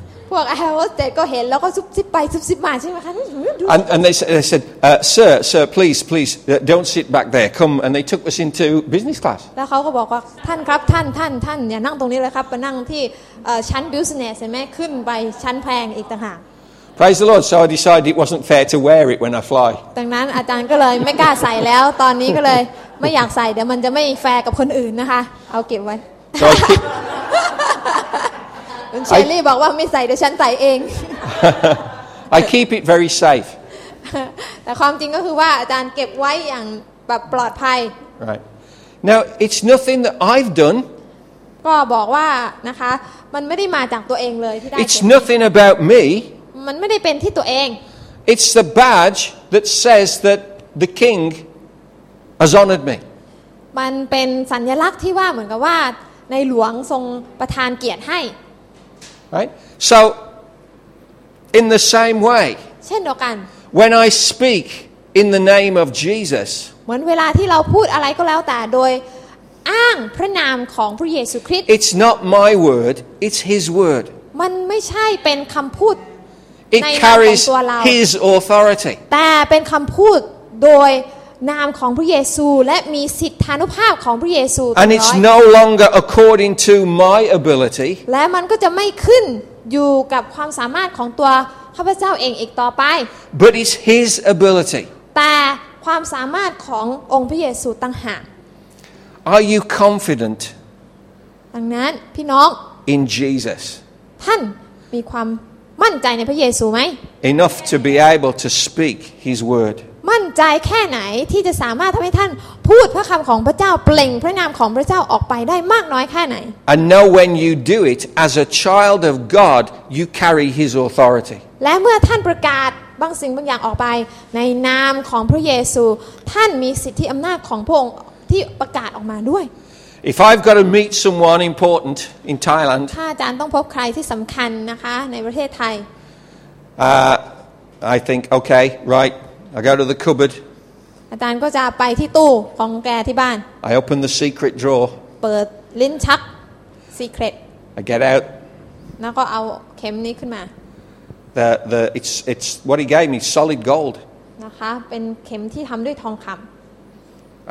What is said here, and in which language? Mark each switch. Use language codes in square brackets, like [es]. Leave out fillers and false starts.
[th] พวกแอร์โฮสเตสก็เห็นแล้วก็ซุบซิบไปซุบซิบมาใช่ไหมคะ [en] And they said, sir, please, don't sit back there. Come. And they took us into business class. [th] แล้วเขาก็บอกว่าท่านครับท่านอย่านั่งตรงนี้เลยครับไปนั่งที่ชั้นบิสเนสเห็นไหมขึ้นไปชั้นแพงอีกต่างหาก [en] Praise the Lord. So I decided it wasn't fair to wear it when I fly. [th] ดังนั้นอาจารย์ก็เลยไม่กล้าใส่แล้วตอนนี้ก็เลยไม่อยากใส่เดี๋ยวมันจะไม่แฟร์กับคนอื่นนะคะเอาเก็บไว้คุณเชอรี่บอกว่าไม่ใส่เดี๋ยวฉันใส่เอง [en] I keep it very safe [th] แต่ความจริงก็คือว่าอาจารย์เก็บไว้อย่างแบบปลอดภัย [en] Right Now it's nothing that I've done [th] ก็บอกว่านะคะมันไม่ได้มาจากตัวเองเลยที่ได้ [en] It's nothing about me [th] มันไม่ได้เป็นที่ตัวเอง [en] It's the badge that says that the king has honored me [th] มันเป็นสัญลักษณ์ที่ว่าเหมือนกับว่าในหลวงทรงประทานเกียรติให้ [en] Right so in the same way [th] เช่นเดียวกัน [en] when I speak in the name of Jesus [th] เหมือนเวลาที่เราพูดอะไรก็แล้วแต่โดยอ้างพระนามของพระเยซูคริสต์ [en] It's not my word it's his word [th] มันไม่ใช่เป็นคำพูด ในตัวเรา [en] His authority [th] แต่เป็นคำพูดโดยนามของพระเยซูและมีสิทธานุภาพของพระเยซู [en] And it's no longer according to my ability [th] และมันก็จะไม่ขึ้นอยู่กับความสามารถของตัวข้าพเจ้าเองอีกต่อไป [en] But it's his ability [th] แต่ความสามารถขององค์พระเยซูต่างหาก [en] Are you confident? [th] ดังนั้นพี่น้อง [en] in Jesus [th] ท่านมีความมั่นใจในพระเยซูไหม [en] enough to be able to speak His word [th] มั่นใจแค่ไหนที่จะสามารถทำให้ท่านพูดพระคำของพระเจ้าเปล่งพระนามของพระเจ้าออกไปได้มากน้อยแค่ไหน [en] and know when you do it as a child of God you carry His authority [th] และเมื่อท่านประกาศบางสิ่งบางอย่างออกไปในนามของพระเยซูท่านมีสิทธิอำนาจของพระองค์ที่ประกาศออกมาด้วย [en] If I've got to meet someone important in Thailand [th] ถ้าอาจารย์ต้องพบใครที่สำคัญนะคะในประเทศไทย [en] I think okay right I go to the cupboard [th] อาจารย์ก็จะไปที่ตู้ของแกที่บ้าน [en] I open the secret drawer [th] เปิดลิ้นชัก secret [en] I get out [th] แล้วก็เอาเข็มนี้ขึ้นมา [en] the it's what he gave me solid gold [th] นะคะเป็นเข็มที่ทำด้วยทองคำ